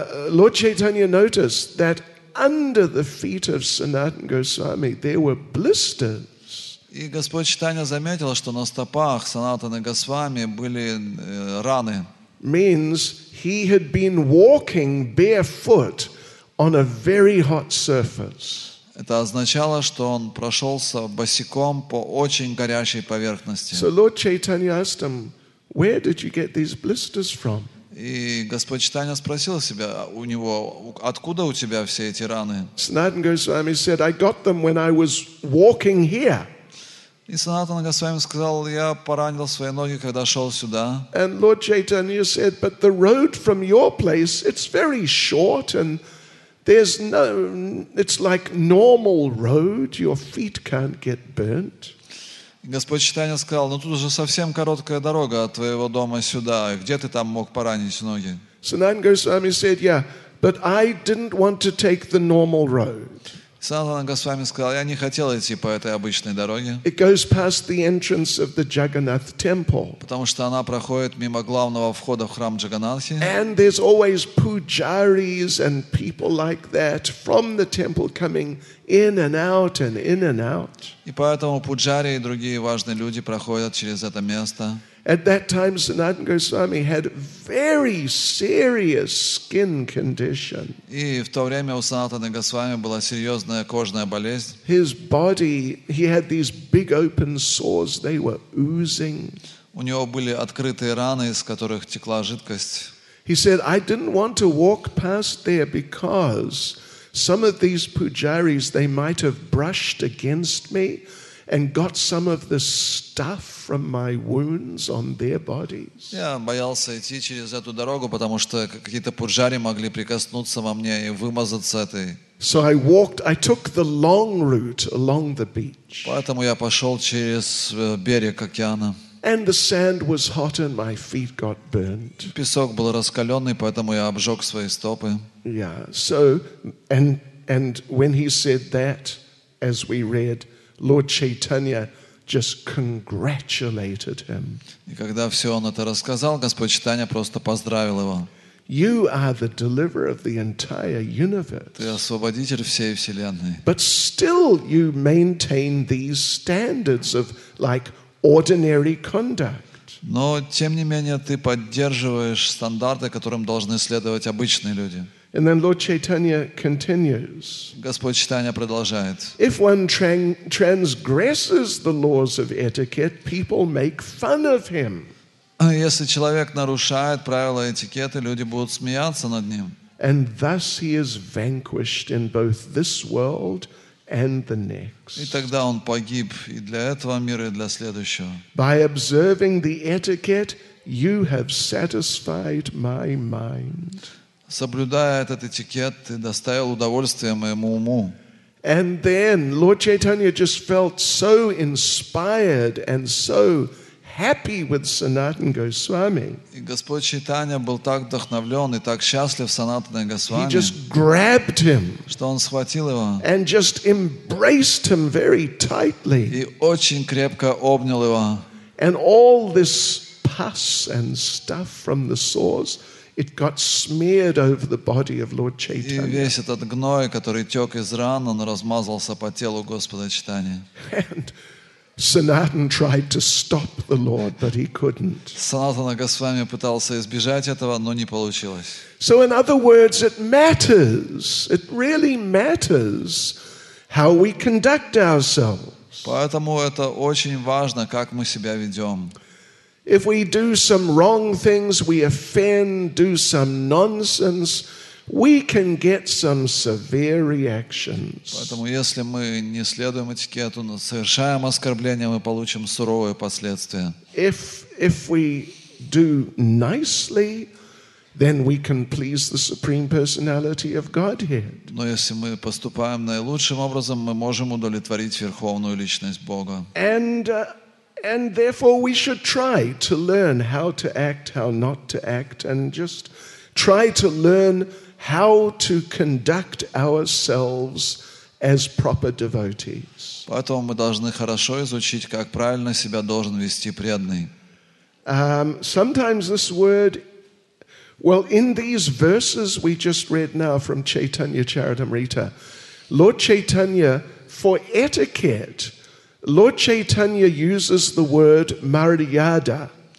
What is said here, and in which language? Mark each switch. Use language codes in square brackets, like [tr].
[en] Lord Chaitanya noticed that under the feet of Sanatana Goswami there were blisters. [ru] И Господь Чайтанья заметил, что на стопах Санатаны Госвами были раны. [en] Means he had been walking barefoot on a very hot surface. [ru] Это означало, что он прошелся босиком по очень горячей поверхности. [en] So Lord Chaitanya asked him, where did you get these blisters from? [ru] И Господь Чайтанья спросил себя у него, откуда у тебя все эти раны? [en] Sanatana Goswami said, I got them when I was walking here. [ru] И Санатана Госвами сказал, я поранил свои ноги, когда шел сюда. [en] And Lord Chaitanya said, but the road from your place, it's very short and there's no, it's like normal road, your feet can't get burnt. [ru] Господь Чайтанья сказал, ну тут уже совсем короткая дорога от твоего дома сюда, где ты там мог поранить ноги? [en] Sanatana Goswami said, yeah, but I didn't want to take the normal road. [ru] Санатана Госвами сказал, я не хотел идти по этой обычной дороге. [en] It goes past the entrance of the Jagannath temple. [ru] Потому что она проходит мимо главного входа в храм Джаганнатхи. [en] And there's always pujaris and people like that from the temple coming in and out and in and out. [ru] И поэтому пуджари и другие важные люди проходят через это место. [en] At that time, Sanatana Goswami had very serious skin condition. [ru] И в то время у Санатаны Госвами была серьезная кожная болезнь. [en] His body, he had these big open sores; they were oozing. [ru] У него были открытые раны, из которых текла жидкость. [en] He said, "I didn't want to walk past there because some of these pujaris they might have brushed against me." And got some of the stuff from my wounds on their bodies. [ru] Я боялся идти через эту дорогу, потому что какие-то пуджари могли прикоснуться во мне и вымазаться этой. [en] So I walked. I took the long route along the beach. [ru] Поэтому я пошел через берег океана. [en] And the sand was hot, and my feet got burned. [ru] Песок был раскаленный, поэтому я обжег свои стопы. [en] Yeah. So and when he said that, as we read. Lord Chaitanya just congratulated him. [ru] И когда все он это рассказал, Господь Чайтанья просто поздравил его. [en] You are the deliverer of the entire universe. [ru] Ты освободитель всей вселенной. [en] But still you maintain these standards of like ordinary conduct. [ru] Но тем не менее ты поддерживаешь стандарты, которым должны следовать обычные люди. [en] And then Lord Chaitanya continues. [ru] Господь Чайтанья продолжает. [en] If one transgresses the laws of etiquette, people make fun of him. [ru] Если человек нарушает правила этикета, люди будут смеяться над ним. [en] And thus he is vanquished in both this world and the next. [ru] И тогда он погиб и для этого мира, и для следующего. [en] By observing the etiquette, you have satisfied my mind. [ru] Соблюдая этот этикет, ты доставил удовольствие моему уму. [en] And then Lord Chaitanya just felt so inspired and so happy with Sanatana Goswami. [ru] И Господь Чайтанья был так вдохновлен и так счастлив Санатаной Госвами. [en] He just grabbed him. [ru] Что он схватил его. [en] And just embraced him very tightly. [ru] И очень крепко обнял его. [en] And all this pus and stuff from the sores. It got smeared over the body of Lord Chaitanya. [ru] И весь этот гной, который тек из ран, он размазался по телу Господа Чайтаньи. [en] And Sanatan tried to stop the Lord, but he couldn't. [ru] Санатана Госвами пытался избежать этого, но не получилось. [en] So in other words, it matters. It really matters how we conduct ourselves. [ru] Поэтому это очень важно, как мы себя ведем. [en] If we do some wrong things, we offend, do some nonsense, we can get some severe reactions. [ru] Поэтому если мы не следуем этикету, но совершаем оскорбление, мы получим суровые последствия. [en] If we do nicely, then we can please the Supreme Personality of Godhead. [ru] Но если мы поступаем наилучшим образом, мы можем удовлетворить Верховную Личность Бога. [en] And therefore we should try to learn how to act, how not to act, and just try to learn how to conduct ourselves as proper devotees. [ru] Поэтому мы должны хорошо изучить, как правильно себя должен вести преданный. [en] Sometimes this word, well, in these verses we just read now from Chaitanya Charitamrita, Lord Chaitanya, for etiquette, Lord Chaitanya uses the word maryada.